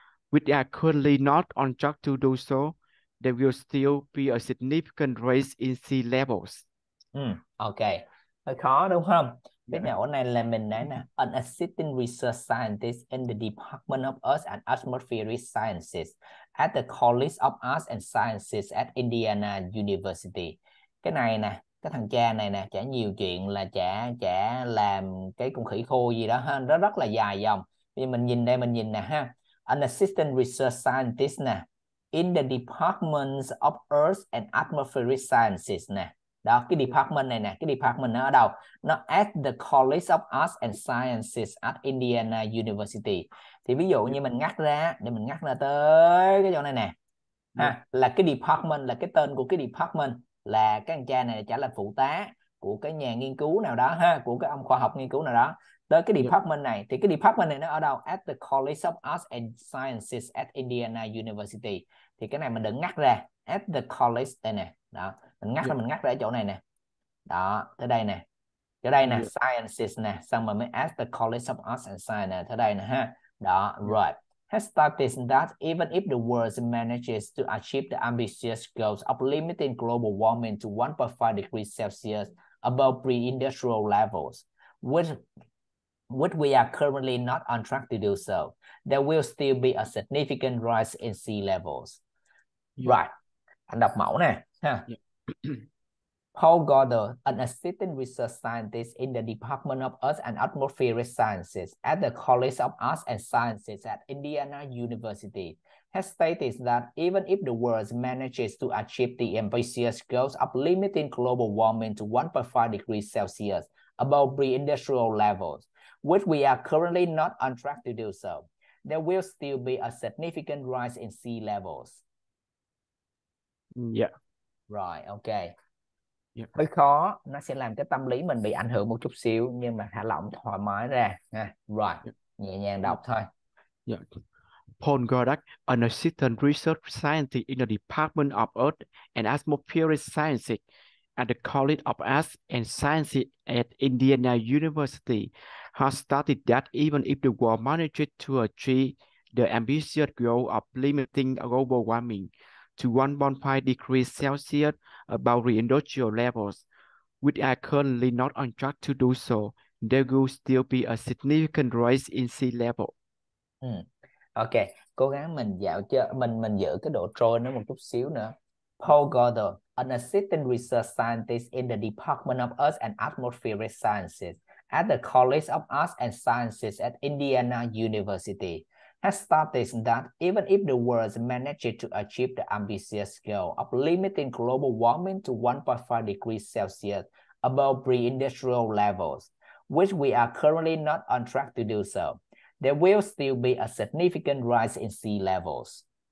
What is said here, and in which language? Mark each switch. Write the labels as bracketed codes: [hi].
[en] which are currently not on track to do so, there will still be a significant rise in sea levels. [vi] Ok, hơi khó đúng không? Cái Dạ. chỗ này là mình đã là [en] an assistant research scientist in the Department of Earth and Atmospheric Sciences at the College of Arts and Sciences at Indiana University. [vi] Cái này nè, cái thằng cha này nè, chả nhiều chuyện là chả chả làm cái con khỉ khô gì đó ha, nó rất là dài dòng. Vì mình nhìn đây, mình nhìn nè ha. [en] An assistant research scientist nè, in the Department of Earth and Atmospheric Sciences nè. [vi] Đó, cái department này nè, cái department nó ở đâu? Nó [en] at the College of Arts and Sciences at Indiana University. [vi] Thì ví dụ như mình ngắt ra, để mình ngắt ra tới cái chỗ này nè. Ha, là cái department, là cái tên của cái department, là cái anh cha này trả là phụ tá của cái nhà nghiên cứu nào đó ha, của cái ông khoa học nghiên cứu nào đó. Tới cái department này, thì cái department này nó ở đâu? [en] At the College of Arts and Sciences at Indiana University. [vi] Thì cái này mình đừng ngắt ra, [en] at the college [vi] đây nè. Đó, mình ngắt ra ở chỗ này nè. Đó, tới đây nè. Chỗ đây nè, sciences nè, xong rồi mới [en] at the College of Arts and Science [vi] nè, tới đây nè ha. Đó, right. [en] Has studied that even if the world manages to achieve the ambitious goals of limiting global warming to 1.5 degrees Celsius above pre-industrial levels, which we are currently not on track to do so, there will still be a significant rise in sea levels. Right. [vi] Anh đọc mẫu nè. Ha. [en] Paul Goddard, an assistant research scientist in the Department of Earth and Atmospheric Sciences at the College of Arts and Sciences at Indiana University, has stated that even if the world manages to achieve the ambitious goals of limiting global warming to 1.5 degrees Celsius above pre-industrial levels, which we are currently not on track to do so, there will still be a significant rise in sea levels. [vi] Rồi, ok. Hơi khó, nó sẽ làm cái tâm lý mình bị ảnh hưởng một chút xíu, nhưng mà thả lỏng thoải mái ra. Rồi, nhẹ nhàng đọc thôi. [en] Paul Goddard, an assistant research scientist in the Department of Earth and Atmospheric Sciences at the College of Arts and Sciences at Indiana University, has stated that even if the world manages to achieve the ambitious goal of limiting global warming to 1.5 degrees Celsius above pre-industrial levels, which are currently not on track to do so, there will still be a significant rise in sea level. [vi] Ok, cố gắng mình dạo cho mình giữ cái độ trôi nó một chút xíu nữa. [en] Paul Goddard, an assistant research scientist in the Department of Earth and Atmospheric Sciences at the College of Arts and Sciences at Indiana University, has stated that even if the world manages to achieve the ambitious goal of limiting global warming to 1.5 degrees Celsius above pre-industrial levels, which we are currently not on track to do so, there will still be a significant rise in sea levels.